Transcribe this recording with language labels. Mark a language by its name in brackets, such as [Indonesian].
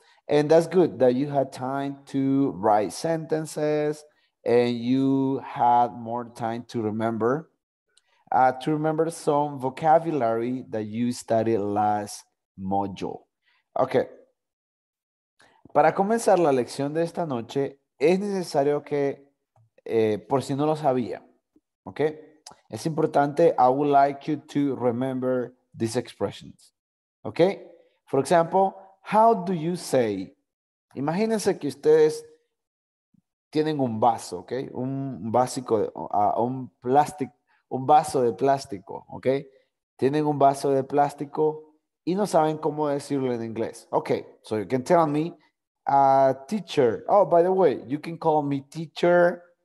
[English] And that's good that you had time to write sentences and you had more time to remember some vocabulary that you studied last module. Okay, [Spanish] Para comenzar la lección de esta noche, es necesario que, por si no lo sabía, ¿ok? Es importante, [English] I would like you to remember these expressions, ¿ok? For example, how do you say? [Spanish] Imagínense que ustedes tienen un vaso, ¿ok? Un básico, un vaso de plástico, ¿ok? Tienen un vaso de plástico y no saben cómo decirlo en inglés. [English] Ok, so you can tell me, teacher. Oh, by the way, you can call me teacher.